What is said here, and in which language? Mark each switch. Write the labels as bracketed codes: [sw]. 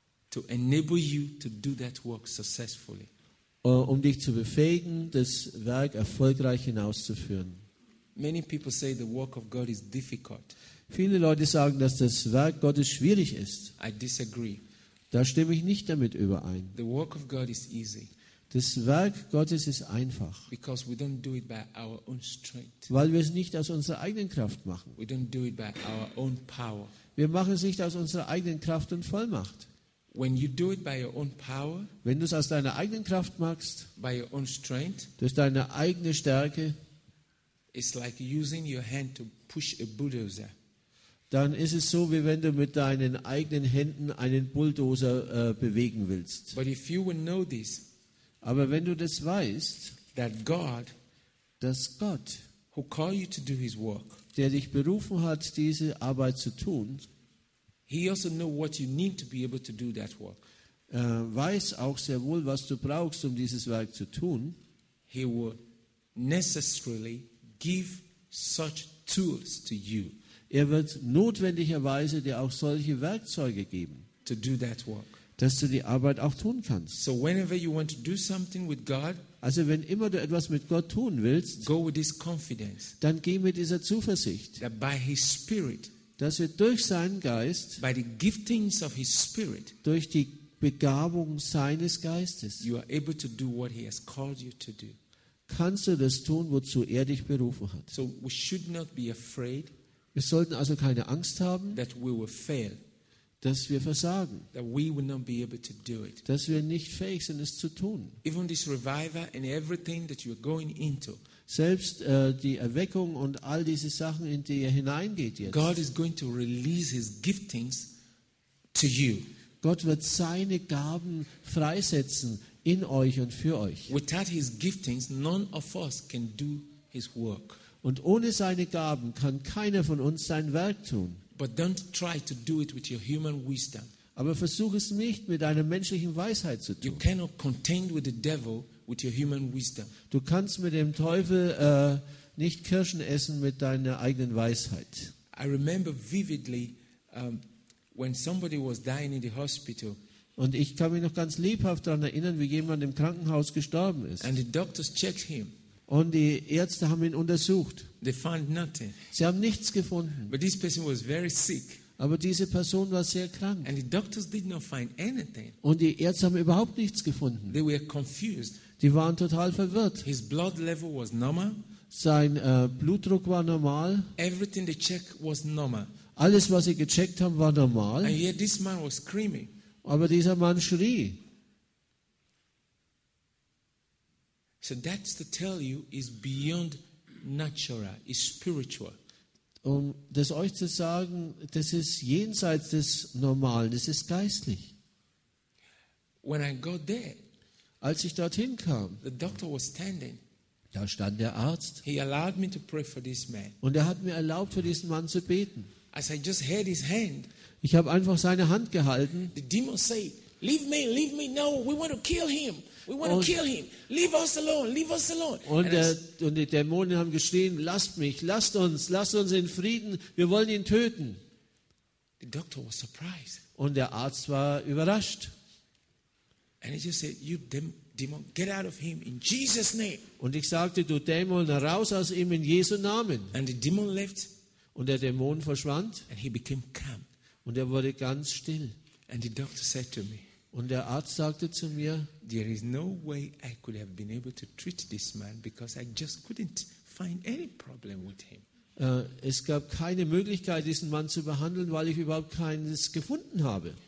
[en] To enable you to do that work successfully. [de] Um dich zu befähigen, das Werk erfolgreich hinauszuführen. [en] Many people say the work of God is difficult. [de] Viele Leute sagen, dass das Werk Gottes schwierig ist. [en] I disagree. [de] Da stimme ich nicht damit überein. [en] The work of God is easy. [de] Das Werk Gottes ist einfach. [en] Because we don't do it by our own strength. [de] Weil wir es nicht aus unserer eigenen Kraft machen. [en] We don't do it by our own power. [de] Wir machen es nicht aus unserer eigenen Kraft und Vollmacht. [en] When you do it by your own power, [de] wenn du es aus deiner eigenen Kraft machst, [en] by your own strength, [de] durch deine eigene Stärke, [en] it's like using your hand to push a bulldozer. [de] Dann ist es so, wie wenn du mit deinen eigenen Händen einen Bulldozer bewegen willst. [en] But if you will know this, [de] aber wenn du das weißt, [en] that God, [de] dass Gott, [en] who called you to do his work, [de] der dich berufen hat, diese Arbeit zu tun, [en] he also know what you need to be able to do that work. [de] Weiß auch sehr wohl, was du brauchst, um dieses Werk zu tun. [en] He will necessarily give such tools to you. [de] Er wird notwendigerweise dir auch solche Werkzeuge geben, [en] to do that work. [de] Dass du die Arbeit auch tun kannst. [en] So whenever you want to do something with God, [de] also wenn immer du etwas mit Gott tun willst, [en] go with this confidence, [de] dann geh mit dieser Zuversicht, [en] that by his spirit, [de] dass er durch seinen Geist, [en] by the giftings of his spirit, [de] durch die Begabung seines Geistes, [en] you are able to do what he has called you to do. [de] Kannst du das tun, wozu er dich berufen hat. [en] So we should not be afraid, [de] wir sollten also keine Angst haben, [en] that we will fail, [de] dass wir versagen, [en] that we will not be able to do it, [de] dass wir nicht fähig sind, es zu tun. [en] Even this revival and everything that you are going into, [de] selbst die Erweckung und all diese Sachen, in die er hineingeht jetzt, [en] God is going to release his giftings to you. [de] Gott wird seine Gaben freisetzen in euch und für euch. [en] Without his giftings, none of us can do his work. [de] Und ohne seine Gaben kann keiner von uns sein Werk tun. [en] But don't try to do it with your human wisdom. [de] Aber versuche es nicht mit deiner menschlichen Weisheit zu tun. [en] You cannot contend with the devil with your human wisdom. [de] Du kannst mit dem Teufel nicht Kirschen essen mit deiner eigenen Weisheit. [en] I remember vividly when somebody was dying in the hospital. [de] Und ich kann mich noch ganz lebhaft daran erinnern, wie jemand im Krankenhaus gestorben ist. [en] And the doctors checked him. [de] Und die Ärzte haben ihn untersucht. [en] They found nothing. [de] Sie haben nichts gefunden. [en] But this person was very sick. [de] Aber diese Person war sehr krank. [en] And the doctors did not find anything. [de] Und die Ärzte haben überhaupt nichts gefunden. [en] They were confused. [de] Die waren total verwirrt. [en] His blood level was normal. [de] Sein Blutdruck war normal. [en] Everything they checked was normal. [de] Alles, was sie gecheckt haben, war normal. [en] And yet this man was screaming. [de] Aber dieser Mann schrie. [en] So that's to tell you is beyond natural, is spiritual. [de] Um das euch zu sagen, das ist jenseits des Normalen, das ist geistlich. [en] When I got there, [de] als ich dorthin kam, [en] the doctor was standing. [de] Da stand der Arzt. [en] He allowed me to pray for this man. [de] Und er hat mir erlaubt, für diesen Mann zu beten. [en] As I just held his hand, [de] ich habe einfach seine Hand gehalten. [en] The demon said, leave me, no, we want to kill him. We want to kill him. Leave us alone. Leave us alone. [de] Und die Dämonen haben geschrien, lasst mich, lasst uns in Frieden. Wir wollen ihn töten. [en] The doctor was surprised. [de] Und der Arzt war überrascht. [en] And he just said, you demon, get out of him in Jesus' name. [de] Und ich sagte, du Dämon, raus aus ihm in Jesu Namen. [en] And the demon left. [de] Und der Dämon verschwand. [en] And he became calm. [de] Und er wurde ganz still. [en] And the doctor said to me, [de] und der Arzt sagte zu mir, [en] there is no way I could have been able to treat this man because I just couldn't find any problem with him. [de] Es gab keine Möglichkeit, diesen Mann zu behandeln, weil ich überhaupt keines gefunden habe.